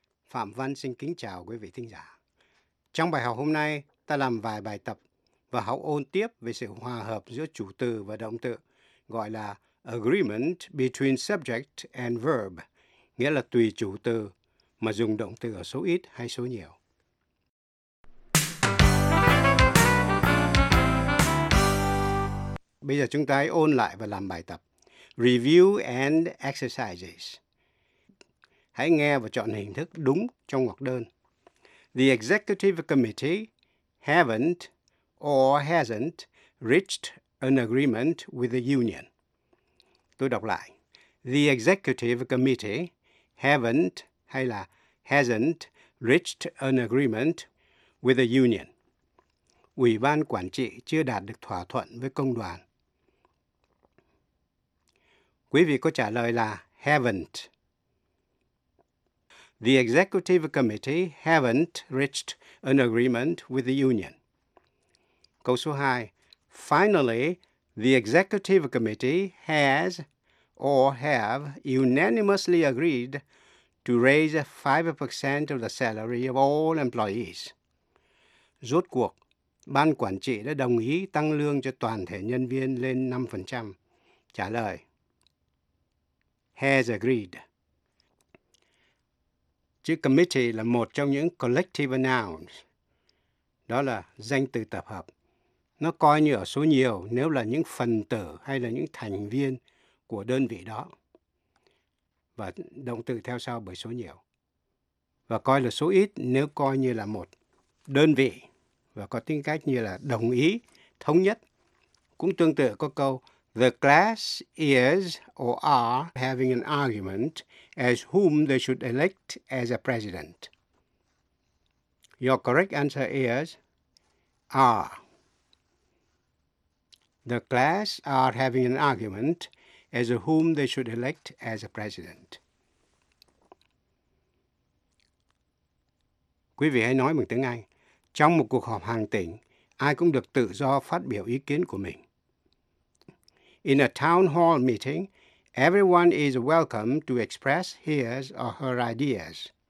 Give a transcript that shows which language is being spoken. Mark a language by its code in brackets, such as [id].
[vi] Phạm Văn xin kính chào quý vị thính giả. Trong bài học hôm nay, ta làm vài bài tập và học ôn tiếp về sự hòa hợp giữa chủ từ và động từ, gọi là [en] agreement between subject and verb, [vi] nghĩa là tùy chủ từ mà dùng động từ ở số ít hay số nhiều. Bây giờ chúng ta hãy ôn lại và làm bài tập. [en] Review and exercises. [vi] Hãy nghe và chọn hình thức đúng trong ngoặc đơn. [en] The executive committee haven't or hasn't reached an agreement with the union. [vi] Tôi đọc lại. [en] The executive committee haven't [vi] hay là [en] hasn't reached an agreement with the union. [vi] Ủy ban quản trị chưa đạt được thỏa thuận với công đoàn. Quý vị có trả lời là haven't. [en] The executive committee haven't reached an agreement with the union. [vi] Câu số 2. [en] Finally, the executive committee has or have unanimously agreed to raise 5% of the salary of all employees. [vi] Rốt cuộc, ban quản trị đã đồng ý tăng lương cho toàn thể nhân viên lên 5%. Trả lời. [en] Has agreed. [vi] Chữ committee là một trong những collective nouns. Đó là danh từ tập hợp. Nó coi như ở số nhiều nếu là những phần tử hay là những thành viên của đơn vị đó. Và động từ theo sau bởi số nhiều. Và coi là số ít nếu coi như là một đơn vị và có tính cách như là đồng ý, thống nhất. Cũng tương tự có câu [en] The class is or are having an argument as whom they should elect as a president. Your correct answer is are. The class are having an argument as whom they should elect as a president. [vi] Quý vị hãy nói bằng tiếng Anh. Trong một cuộc họp hàng tỉnh, ai cũng được tự do phát biểu ý kiến của mình. [en] In a town hall meeting, everyone is welcome to express his or her ideas.